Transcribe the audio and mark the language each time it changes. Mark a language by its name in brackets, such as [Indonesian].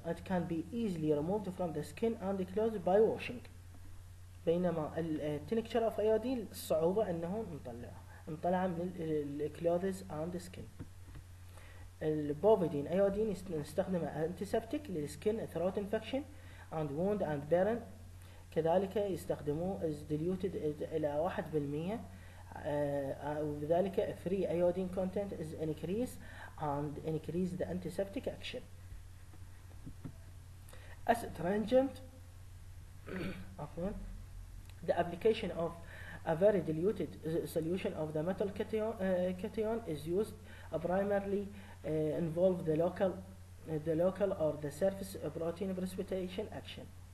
[English] It can be easily removed from the skin and closed by washing. [Arabic] بينما التينكتشر اوف ايودين صعوبة انه نطلع من الكلوذز [English] And skin. البوفيدين iodine نستخدمه antiseptic للسكين throat infection and wound and burn. [Arabic] كذلك يستخدموه [English] as diluted [Arabic] الى 1% وبذلك [English] Free iodine content is increase and increase the antiseptic action. As astringent, the application of a very diluted solution of the metal cation is used primarily involve the local or the surface protein precipitation action.